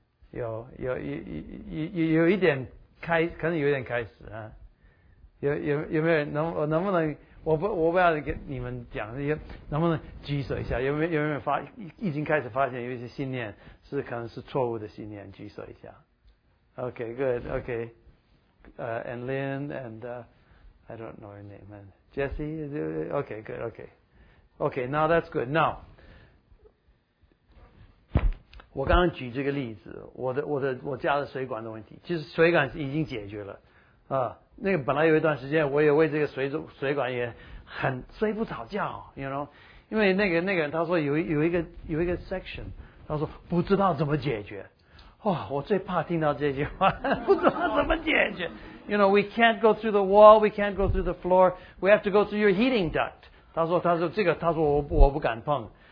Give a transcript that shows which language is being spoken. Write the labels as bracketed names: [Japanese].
[Chinese] 有一点开，可能有点开始啊。有没有能不能我不要跟你们讲，能不能举手一下？有没有已经开始发现有一些信念是可能是错误的信念？举手一下。 [English] Okay, good. Okay. And Lynn and I don't know your name. And Jesse. Okay, good. Okay. Okay. Now that's good. Now, [Chinese] 我刚刚举这个例子，我家的水管的问题，其实水管已经解决了啊。那个本来有一段时间我也为这个水管也很睡不着觉 [English] you know? [Chinese] 因为那个他说有一个 section, 他说不知道怎么解决。哇、哦、我最怕听到这句话，不知道怎么解决。 [English] You know, we can't go through the wall, we can't go through the floor, we have to go through your heating duct. [Chinese] 他说这个他说我不敢碰。